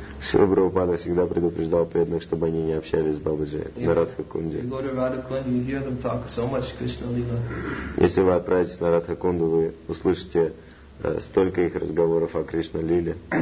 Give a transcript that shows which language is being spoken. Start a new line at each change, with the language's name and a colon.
Russian: Шрила Прабхупада всегда предупреждал преданных, чтобы они не общались с Бабаджи на Радха Кунде.
English: You go to Radha Kunda, you hear them talk so much Krishna Lila.
Russian: Если вы отправитесь на Радха Кунду, вы услышите столько их разговоров о Кришна Лиле.